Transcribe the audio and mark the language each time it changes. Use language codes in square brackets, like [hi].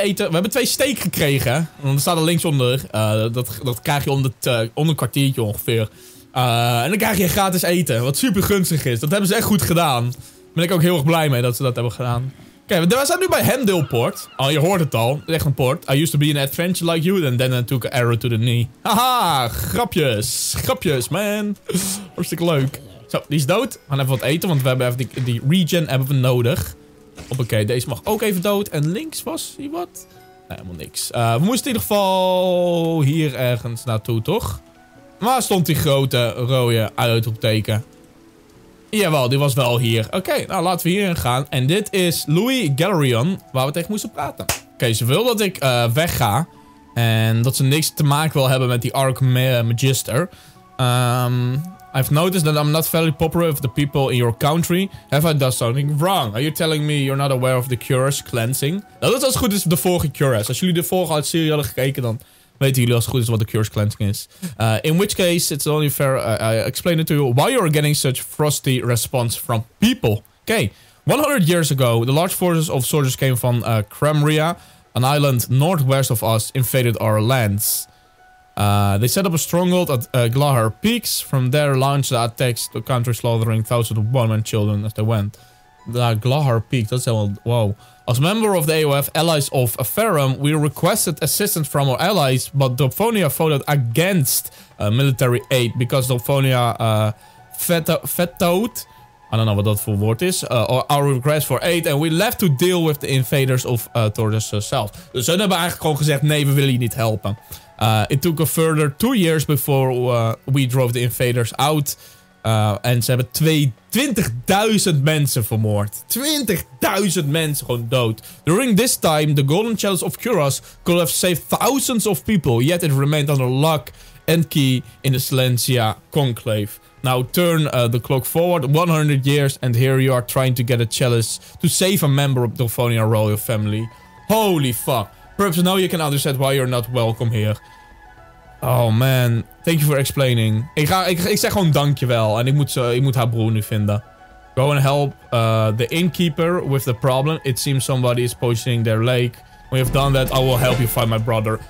[nl] We hebben 2 steak gekregen. En dan staat er linksonder. Dat krijg je onder een kwartiertje ongeveer. En dan krijg je gratis eten. Wat super gunstig is. Dat hebben ze echt goed gedaan. Daar ben ik ook heel erg blij mee dat ze dat hebben gedaan. Oké, we zijn nu bij Handleport. Oh, je hoort het al. Het is echt een port. [en] I used to be an adventurer like you. And then I took an arrow to the knee. [nl] Haha, grapjes. Grapjes, man. Hartstikke leuk. Zo, die is dood. We gaan even wat eten, want we hebben even die regen hebben we nodig. Hoppakee, deze mag ook even dood. En links was hier wat? Nee, helemaal niks. We moesten in ieder geval hier ergens naartoe, toch? Waar stond die grote rode uitroepteken? Jawel, die was wel hier. Oké, nou laten we hierin gaan. En dit is Louis Galerion, waar we tegen moesten praten. Oké, ze wil dat ik wegga. En dat ze niks te maken wil hebben met die Arch Magister. [en] I've noticed that I'm not very popular with the people in your country. Have I done something wrong? Are you telling me you're not aware of the Cures Cleansing? [nl] Nou, dat is als het goed is de vorige Cures. Als jullie de vorige serie hadden gekeken, dan weten jullie als het goed is wat de Cures Cleansing is. [en] In which case, it's only fair I explain it to you. Why you're getting such frosty response from people? Okay, 100 years ago, the large forces of soldiers came from Cremria, an island northwest of us, invaded our lands. They set up a stronghold at Glahar Peaks. From there, launched the attacks to country, slaughtering thousands of women and children as they went. The Glahar Peaks, that's a wow. As member of the AOF, allies of Aferum, we requested assistance from our allies, but Dophonia voted against military aid because Dophonia vetoed, I don't know what that for word is, our request for aid, and we left to deal with the invaders of Tordus herself. [nl] Dus ze hebben eigenlijk gewoon gezegd, nee, we willen je niet helpen. [en] It took a further 2 years before we drove the invaders out. [nl] En ze hebben 20.000 mensen vermoord. 20.000 mensen gewoon dood. [en] During this time, the Golden Chalice of Kuros could have saved thousands of people. Yet it remained under lock and key in the Silencia Conclave. Now turn the clock forward 100 years and here you are trying to get a chalice to save a member of the Dophonia royal family. Holy fuck. Perhaps now you can understand why you're not welcome here. Oh man, thank you for explaining. [nl] Ik zeg gewoon dankjewel en ik moet haar broer nu vinden. [en] Go and help the innkeeper with the problem. It seems somebody is poisoning their lake. When you've done that, I will help you find my brother.